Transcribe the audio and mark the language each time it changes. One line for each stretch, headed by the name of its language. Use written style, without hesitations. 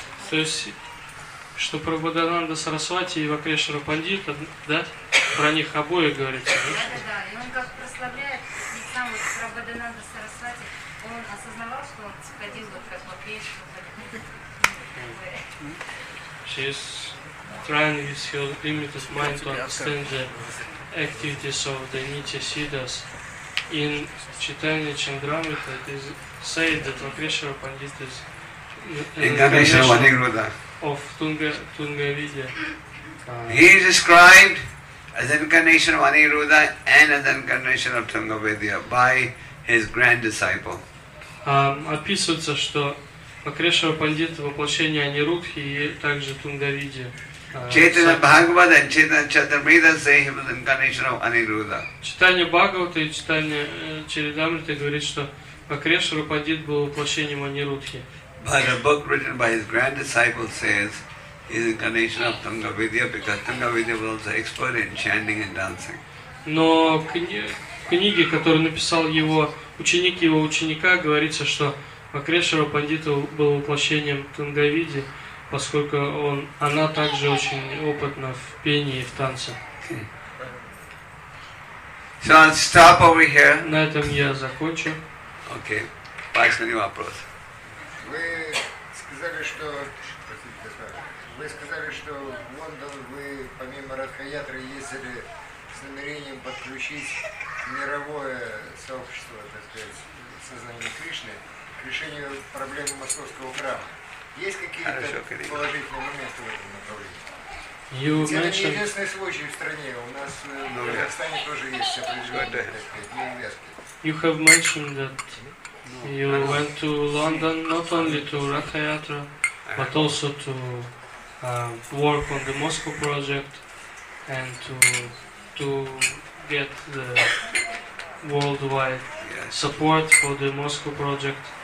Russian: То есть... Что Прабхадананда Сарасвати и Вакрешвара Пандита, да? Про них обоих говорится. Да, да, да. И он как прославляет, и сам вот Прабхадананда Сарасвати, он осознавал, что он сходил вот как Вакрешвара.
English: She's trying with her limited mind to understand the activities of the Nitya Siddhas. In Chaitanya Chandramrita, it is said that Вакрешвара Пандита is incarnation of Tungavidya. He is described as incarnation of Aniruddha and as incarnation of Tungavidya by his grand disciple.
Russian: Описывается, что Вакрешвара Пандита воплощение Анирудхи и также Тунгавидья.
English: Chaitanya Bhagavad and Chaitanya Charitamrita say he was incarnation of Aniruddha.
Russian: Читание Бхагавата и читание Чаритамриты говорит, что Вакрешвара Пандит был воплощением Анирудхи.
English: But a book written by his grand disciple says he's incarnation of Tungavidya because Tungavidya was also expert in chanting and dancing.
Russian: Но в книге, которую написал его ученик его ученика, говорится, что Вакрешвара Пандита был воплощением Тунгавиди, поскольку он она также очень опытна в пении и в танце.
English: So I'll stop over here.
Russian: На этом я закончу. Okay. Последний вопрос. Вы сказали, что в Лондон вы помимо Радха-ятры ездили с намерением подключить мировое сообщество, так сказать, сознание Кришны к решению проблемы московского храма. Есть какие-то положительные моменты в этом направлении? Это не единственный случай в стране. У нас в Казахстане тоже есть все определенные, так сказать,
English: You have mentioned that. You went to London not only to Ratha Yatra, but also to work on the Moscow project and to get the worldwide support for the Moscow project.